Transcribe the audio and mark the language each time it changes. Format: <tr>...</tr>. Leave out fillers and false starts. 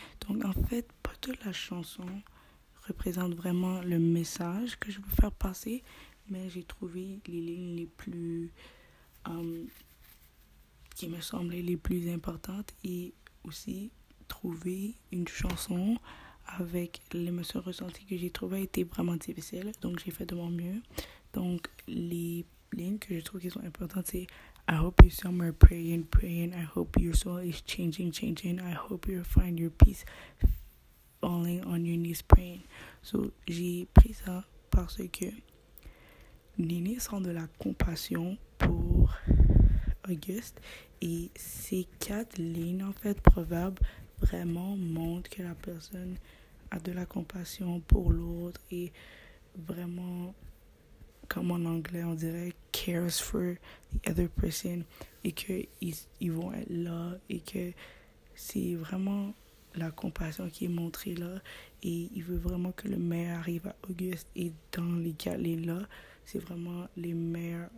<fr>Donc, en fait, pas toute la chanson représente vraiment le message que je veux faire passer, mais j'ai trouvé les lignes les plus, qui me semblaient les plus importantes et aussi trouver une chanson avec l'émotion ressentie que j'ai trouvée était vraiment difficile. Donc, j'ai fait de mon mieux. Donc, les lignes que je trouve qui sont importantes, c'est</fr> <en>I hope you're somewhere praying, praying. I hope your soul is changing, changing. I hope you find your peace, falling on your knees, praying.</en> <fr>So, j'ai pris ça parce que Néné sent de la compassion pour Auguste. Et ces quatre lignes, en fait, proverbes, vraiment montrent que la personne a de la compassion pour l'autre et vraiment, comme en anglais, on dirait «</fr> <en>cares for the other person</en> <fr>» et qu'ils vont être là et que c'est vraiment la compassion qui est montrée là et il veut vraiment que le meilleur arrive à Auguste et dans les quatre lignes-là, c'est vraiment les meilleurs.</fr>